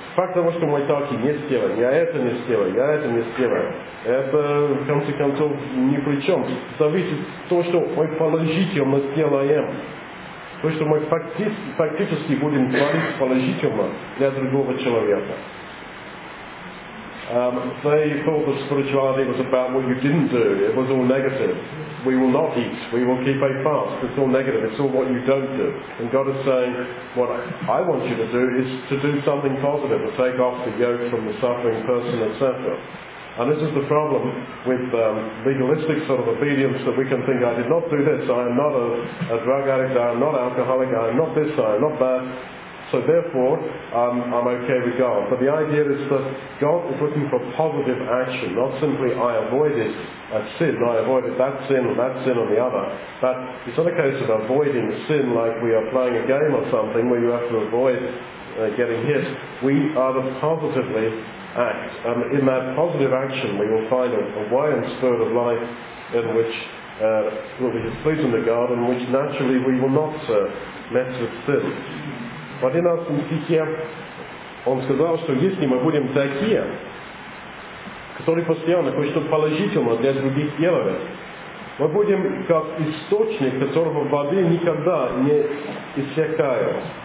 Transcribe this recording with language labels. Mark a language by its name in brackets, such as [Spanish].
[Russian] Факт того, что мы так и не сделаем, я это не сделаю, я это не сделаю, это в конце концов ни при чем. Зависит то, что мы положительно сделаем. То, что мы фактически будем творить положительно для другого человека. [English] They thought the spirituality was about what you didn't do. It was all negative. We will not eat. We will keep a fast. It's all negative. It's all what you don't do. And God is saying, what I want you to do is to do something positive, to take off the yoke from the suffering person, etc. And this is the problem with legalistic sort of obedience, that we can think, I did not do this. I am not a drug addict. I am not an alcoholic. I am not this. I am not that. So therefore, I'm okay with God. But the idea is that God is looking for positive action, not simply I avoided a sin, I avoided that sin or the other. But it's not a case of avoiding sin like we are playing a game or something where you have to avoid getting hit. We are to positively act. And in that positive action, we will find a way and spirit of life in which will be displeasing to God, in which naturally we will not mess with sin. [Russian] В 11 стихе он сказал, что если мы будем такие, которые постоянно кое-что положительно для других делают, мы будем как источник, которого воды никогда не иссякает.